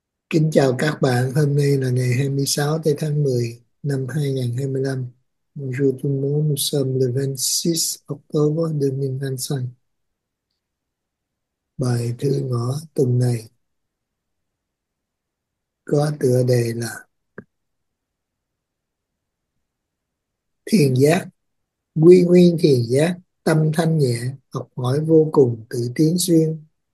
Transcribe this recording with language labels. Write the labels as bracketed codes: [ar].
[vi] Kính chào các bạn, hôm nay là ngày 26 tây tháng 10 năm 2025. [fr] Bonjour tout le monde, nous sommes le 26 octobre 2025. [vi] Bài thơ ngõ tuần này có tựa đề là Thiền giác, quy nguyên thiền giác, tâm thanh nhẹ, học hỏi vô cùng tự tiến duyên.